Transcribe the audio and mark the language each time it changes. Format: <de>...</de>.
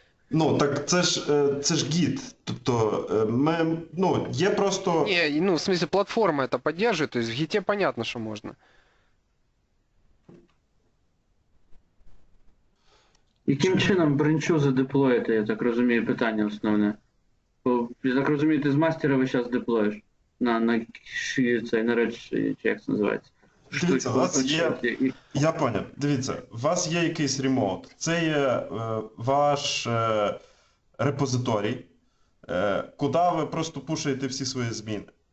<uk>Ну, так це ж Git. Тобто, є просто...</uk> <ru>Не, ну, в смысле, платформа это поддерживает, то есть в Git понятно, что можно.</ru> <uk>Яким чином бранчу задеплоїти, я так розумію, питання основне. Бо, я так розумію, ти з мастера ви зараз деплоїш на цей наречення, чи як це називається. Дивіться, у вас є... Я поняв, дивіться, у вас є якийсь ремоут. Це є ваш репозиторій, куди ви просто пушуєте всі свої зміни.</uk>